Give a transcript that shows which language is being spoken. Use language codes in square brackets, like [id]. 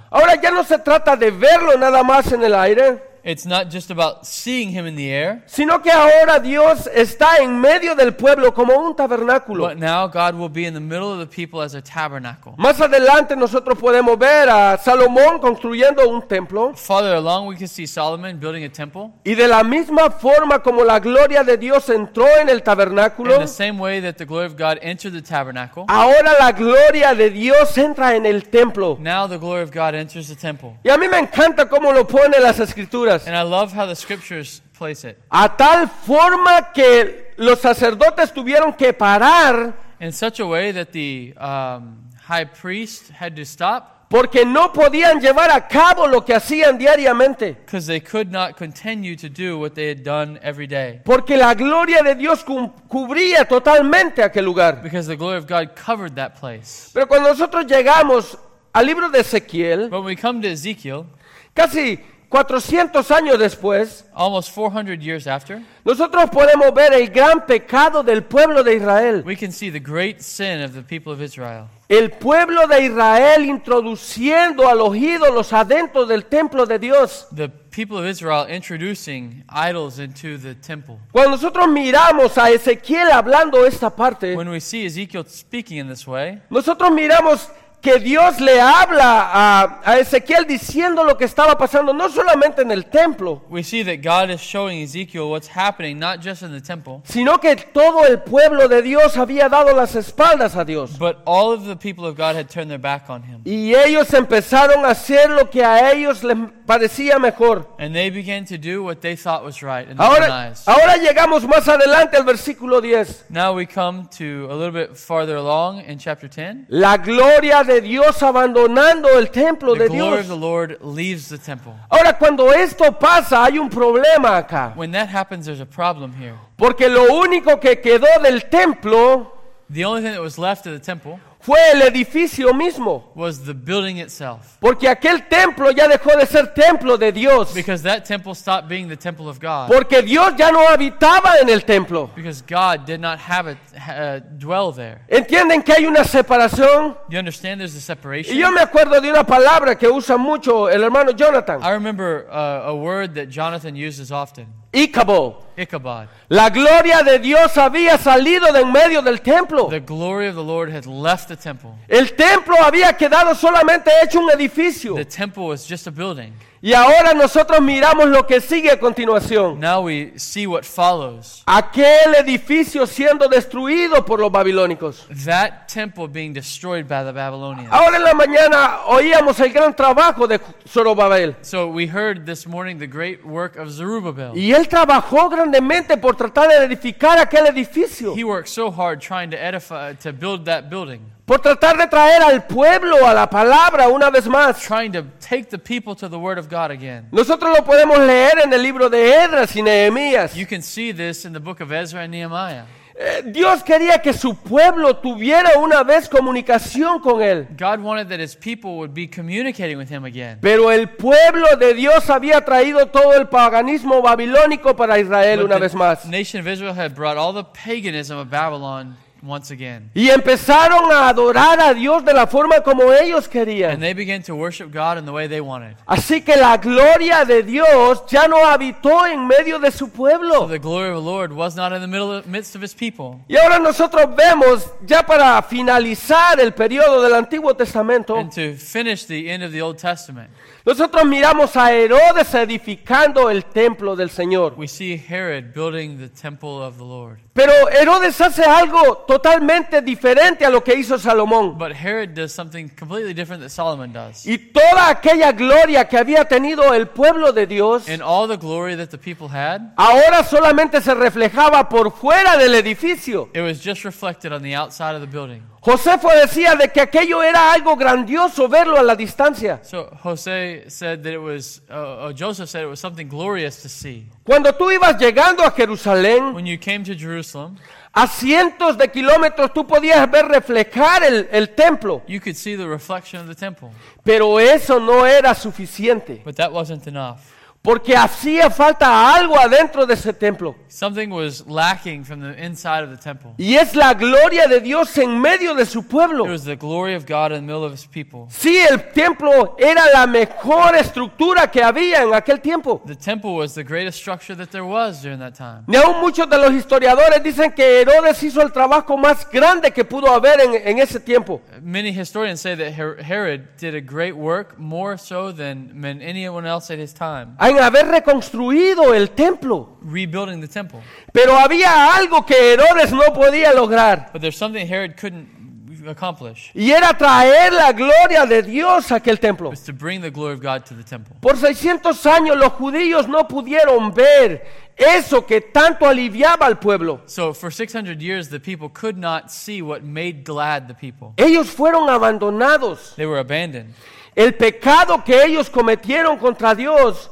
[es] Ahora ya no se trata de verlo nada más en el aire. [en] It's not just about seeing him in the air. [es] Sino que ahora Dios está en medio del pueblo como un tabernáculo. [en] But now God will be in the middle of the people as a tabernacle. [es] Más adelante nosotros podemos ver a Salomón construyendo un templo. [en] Farther along we can see Solomon building a temple. [es] Y de la misma forma como la gloria de Dios entró en el tabernáculo. [en] In the same way that the glory of God entered the tabernacle. [es] Ahora la gloria de Dios entra en el templo. [en] Now the glory of God enters the temple. [es] Y a mí me encanta cómo lo pone las escrituras. [en] And I love how the scriptures place it. [es] A tal forma que los sacerdotes tuvieron que parar. [en] In such a way that the high priest had to stop. [es] Porque no podían llevar a cabo lo que hacían diariamente. [en] Because they could not continue to do what they had done every day. [es] Porque la gloria de Dios cubría totalmente aquel lugar. [en] Because the glory of God covered that place. [es] Pero cuando nosotros llegamos al libro de Ezequiel. [en] When we come to Ezekiel. [es] Casi 400 años después, [en] almost 400 years after, [es] nosotros podemos ver el gran pecado del pueblo de Israel. [en] We can see the great sin of the people of Israel. [es] El pueblo de Israel introduciendo a los ídolos adentro del templo de Dios. [en] The people of Israel introducing idols into the temple. [es] Cuando nosotros miramos a Ezequiel hablando esta parte, [en] when we see Ezekiel speaking in this way, [es] nosotros miramos que Dios le habla a Ezequiel diciendo lo que estaba pasando, no solamente en el templo. [en] We see that God is showing Ezekiel what's happening, not just in the temple. [es] Sino que todo el pueblo de Dios había dado las espaldas a Dios. [en] But all of the people of God had turned their back on him. [es] Y ellos empezaron a hacer lo que a ellos les parecía mejor. [en] And they began to do what they thought was right in [es] ahora, [en] their eyes. [es] Ahora llegamos más adelante al versículo 10. [en] Now we come to a little bit farther along in chapter 10. [es] La gloria de Dios abandonando el templo [en] the [es] de Dios. [en] The glory of the Lord leaves the temple. [es] Ahora cuando esto pasa hay un problema acá. [en] When that happens there's a problem here. [es] Porque lo único que quedó del templo. [en] The only thing that was left of the temple. [es] Fue el edificio mismo. [en] Was the building itself. [es] Porque aquel templo ya dejó de ser templo de Dios. [en] Because that temple stopped being the temple of God. [es] Porque Dios ya no habitaba en el templo. [en] Because God did not have it dwell there. [es] ¿Entienden que hay una separación? [en] You understand there's a separation? [es] Y yo me acuerdo de una palabra que usa mucho el hermano Jonathan. [en] I remember a word that Jonathan uses often. [es] Ichabod. [en] Ichabod. [es] La gloria de Dios había salido de en medio del templo. [en] The glory of the Lord had left the temple. [es] El templo había quedado solamente hecho un edificio. [en] The temple was just a building. [es] Y ahora nosotros miramos lo que sigue a continuación. [en] Now we see what follows. [es] Aquel edificio siendo destruido por los babilónicos. [en] That temple being destroyed by the Babylonians. [es] Ahora en la mañana oíamos el gran trabajo de Zorobabel. [en] So we heard this morning the great work of Zerubbabel. [es] Y él trabajó grandemente por tratar de edificar aquel edificio. [en] He worked so hard trying to edify, to build that building. [es] Por tratar de traer al pueblo a la palabra una vez más. [en] Trying to take the people to the word of God again. [es] Nosotros lo podemos leer en el libro de Esdras y Nehemías. [en] You can see this in the book of Ezra and Nehemiah. [es] Dios quería que su pueblo tuviera una vez comunicación con él. [en] God wanted that his people would be communicating with him again. [es] Pero el pueblo de Dios había traído todo el paganismo babilónico para Israel [en] But [es] una vez más. [en] The nation of Israel had brought all the paganism of Babylon once again. [es] Y empezaron a adorar a Dios de la forma como ellos querían. [en] And they began to worship God in the way they wanted. [es] Así que la gloria de Dios ya no habitó en medio de su pueblo. [en] So the glory of the Lord was not in the middle of, midst of his people. [es] Y ahora nosotros vemos, ya para finalizar el periodo del Antiguo Testamento, [en] and to finish the end of the Old Testament, [es] nosotros miramos a Herodes edificando el templo del Señor. [en] We see Herod building the temple of the Lord. [es] Pero Herodes hace algo totalmente diferente a lo que hizo Salomón. [en] But Herod does something completely different that Solomon does. [es] Y toda aquella gloria que había tenido el pueblo de Dios, [en] and all the glory that the people had, [es] ahora solamente se reflejaba por fuera del edificio. [en] It was just reflected on the outside of the building. [es] Josefo decía de que aquello era algo grandioso verlo a la distancia. [en] So José said that it was, Joseph said it was something glorious to see. [es] Cuando tú ibas llegando a Jerusalén, [en] when you came to Jerusalem, [es] a cientos de kilómetros tú podías ver reflejar el templo. [en] You could see the reflection of the temple. [es] Pero eso no era suficiente. [en] But that wasn't enough. [es] Porque hacía falta algo adentro de ese templo. [en] Something was lacking from the inside of the temple. [es] Y es la gloria de Dios en medio de su pueblo. [en] It was the glory of God in the middle of his people. [es] Sí, el templo era la mejor estructura que había en aquel tiempo. [en] The temple was the greatest structure that there was during that time. [es] Y aún muchos de los historiadores dicen que Herodes hizo el trabajo más grande que pudo haber en ese tiempo. [en] Many historians say that Herod did a great work, more so than anyone else at his time. [es] En haber reconstruido el templo. [en] Rebuilding the temple. [es] Pero había algo que Herodes no podía lograr. [en] But there's something Herod couldn't accomplish. [es] Y era traer la gloria de Dios a aquel templo. [en] It was to bring the glory of God to the temple. [es] Por 600 años los judíos no pudieron ver eso que tanto aliviaba al pueblo. [en] So for 600 years the people could not see what made glad the people. [es] Ellos fueron abandonados. [en] They were abandoned. [es] El pecado que ellos cometieron contra Dios,